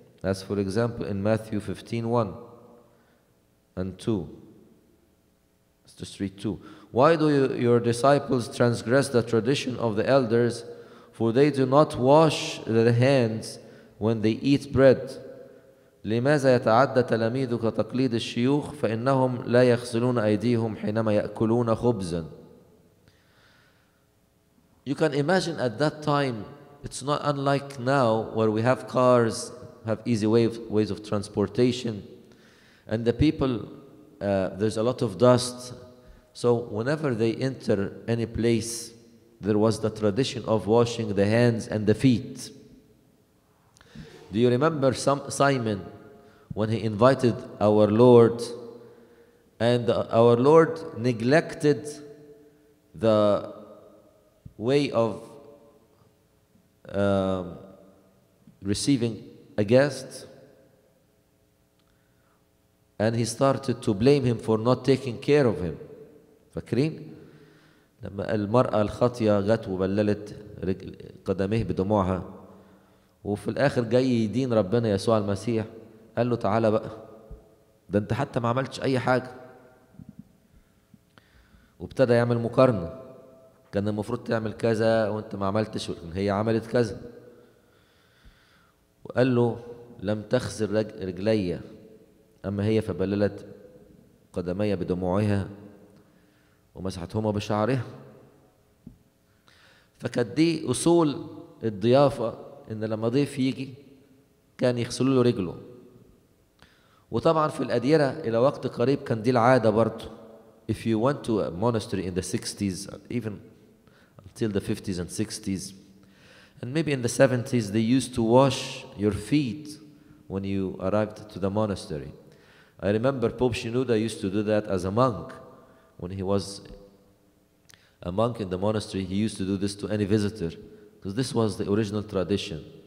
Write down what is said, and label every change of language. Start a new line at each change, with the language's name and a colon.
English: As for example in Matthew 15:1 and 2. It's just read 2. Why do your disciples transgress the tradition of the elders, for they do not wash their hands when they eat bread?
Arabic: لماذا يتعدى تلاميذك تقليد الشيوخ فإنهم لا يغسلون أيديهم حينما يأكلون خبزا.
English: You can imagine at that time, it's not unlike now where we have cars, have easy ways of transportation, and the people, there's a lot of dust. So whenever they enter any place, there was the tradition of washing the hands and the feet. Do you remember Simon, when he invited our Lord, and our Lord neglected the way of receiving a guest, and he started to blame him for not taking care of him.
Arabic: فاكرين لما المرأة الخطية جت وبللت قدميه بدموعها وفي الآخر جاي يدين ربنا يسوع المسيح, قال له تعالى بقى, ده انت حتى ما عملتش اي حاجة. وابتدى يعمل مقارنة, كان المفروض تعمل كذا وانت ما عملتش, وان هي عملت كذا. وقال له لم تخزر رجلي, اما هي فبللت قدمي بدموعها ومسحتهما بشعرها. فكان دي اصول الضيافة, ان لما ضيف يجي كان يغسلوا له رجله. وطبعا في الأديرة إلى وقت قريب كان دي العادة برضو.
English: If you went to a monastery in the 60s, even until the 50s and 60s, and maybe in the 70s, they used to wash your feet when you arrived to the monastery. I remember Pope Shenouda used to do that as a monk. When he was a monk in the monastery, he used to do this to any visitor, because this was the original tradition.